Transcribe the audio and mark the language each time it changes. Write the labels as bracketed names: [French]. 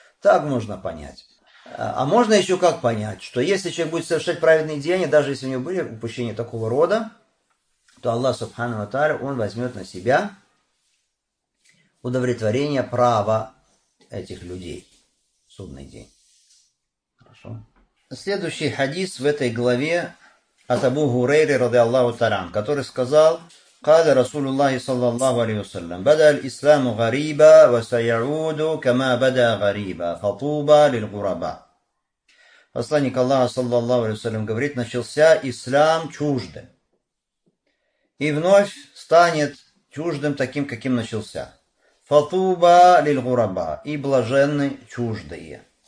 [Russian] Так можно понять. А можно еще как понять, что если человек будет совершать праведные деяния, даже если у него были упущения такого рода, то Аллах Субхану ва Тааля, он возьмет на себя удовлетворение права этих людей в судный день. Следующий хадис в этой главе от Абу Хурейры ради Аллаху Таран, который сказал: [Arabic] قال رسول الله صلى الله عليه وسلم بدا الإسلام غريبا وسيعود كما بدا غريبا فطوبى للغرباء. [Russian] Посланник Аллаха صلى الله عليه وسلم говорит, начался ислам чуждым и вновь станет чуждым таким, каким начался. [Arabic] فطوبى للغرباء, [Russian] и блаженны чуждые.